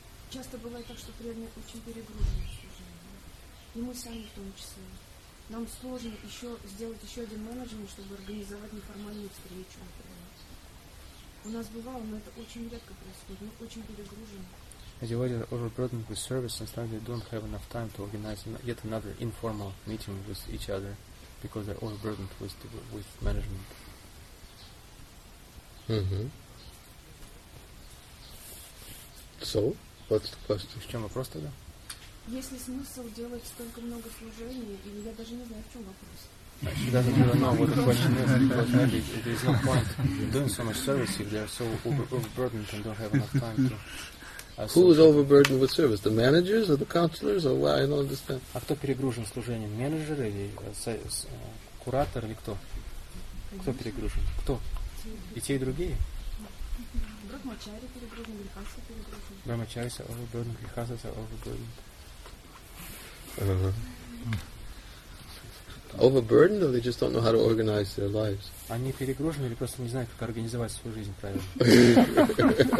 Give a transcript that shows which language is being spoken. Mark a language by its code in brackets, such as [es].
[ru] Часто бывает так, что преданные очень перегружены в служении. И мы сами в том числе. Нам сложно еще сделать еще один менеджмент, чтобы организовать неформальную встречу. У нас бывало, но это очень редко происходит. Мы очень перегружены. [en] As you are overburdened with service, and sometimes you don't have enough time to organize yet another informal meeting with each other, because they're overburdened with management. So, what's the question? [ru] В чем вопрос тогда? Есть ли смысл делать столько много служений, или я даже не знаю, в чем вопрос? [en] She doesn't even know what the question is, because maybe there's no point in doing so much service if they are so overburdened and don't have enough time to... Who is overburdened with service? The managers or the counselors? Or why? I don't understand. [ru] А кто перегружен служением? Менеджер или куратор, или кто? Кто перегружен? Кто? И те, и другие? Брахмачари перегружены, грихасы перегружены. [en] Overburdened, or they just don't know how to organize their lives? [ru] Они перегружены или просто не знают, как организовать свою жизнь правильно.